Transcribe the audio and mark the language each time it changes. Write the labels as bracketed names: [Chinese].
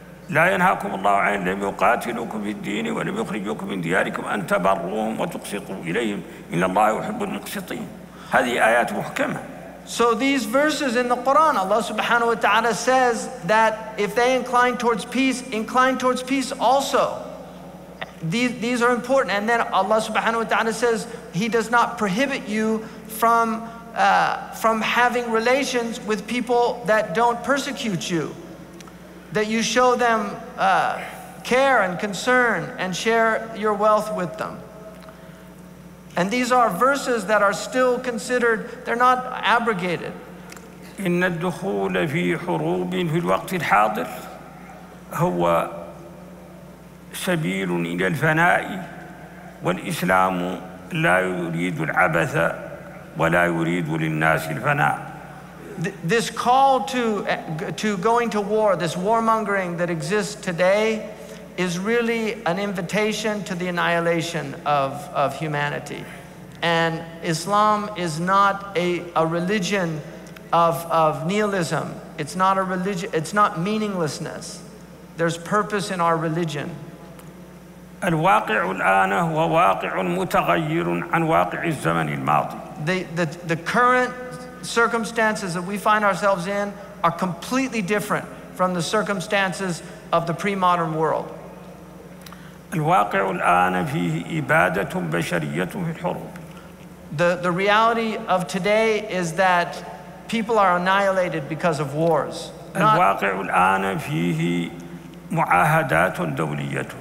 [Arabic] لا ينهاكم الله عن لم يقاتلوكم في الدين ولم يخرجوكم من دياركم أن تبروهم وتقسطوا إليهم إن الله يحب المقسطين. هذه آيات محكمة. [English] So these verses in the Quran, Allah subhanahu wa ta'ala says that if they incline towards peace, incline towards peace also. These are important. And then Allah subhanahu wa ta'ala says he does not prohibit you from having relations with people that don't persecute you, that you show them care and concern and share your wealth with them. And these are verses that are still considered, they're not abrogated. [Arabic] إن الدخول في حروب في الوقت الحاضر هو سبيل إلى الفناء والإسلام لا يريد العبث ولا يريد للناس الفناء. [English] This call to going to war, this warmongering that exists today, is really an invitation to the annihilation of humanity. And Islam is not a religion of nihilism. It's not a religion, it's not meaninglessness. There's purpose in our religion. [Arabic] الواقع الآن هو واقع متغير عن واقع الزمن الماضي. [English] The current circumstances that we find ourselves in are completely different from the circumstances of the pre-modern world. [Arabic] الواقع الآن فيه إبادة بشرية في الحروب. [English] The reality of today is that people are annihilated because of wars. [Arabic] الواقع الآن فيه معاهدات دولية.